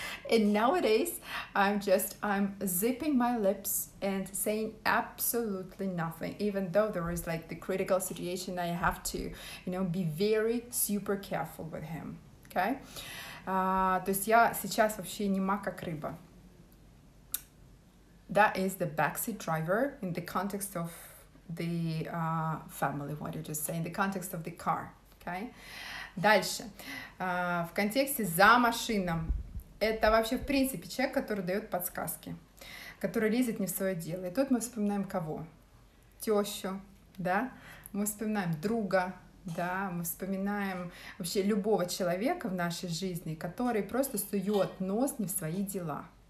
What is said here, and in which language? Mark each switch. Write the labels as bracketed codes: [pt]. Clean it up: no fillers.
[en] And nowadays, I'm zipping my lips and saying absolutely nothing, even though there is like the critical situation, I have to, you know, be very super careful with him, okay? [ru] То есть я сейчас вообще нема как рыба. [en] That is the backseat driver in the context of the family, what you just say, in the context of the car, okay? [ru] Дальше. В контексте за машином. Это вообще, в принципе, человек, который дает подсказки, который лезет не в свое дело. И тут мы вспоминаем кого? Тещу, да? Мы вспоминаем друга, да? Мы вспоминаем вообще любого человека в нашей жизни, который просто сует нос не в свои дела.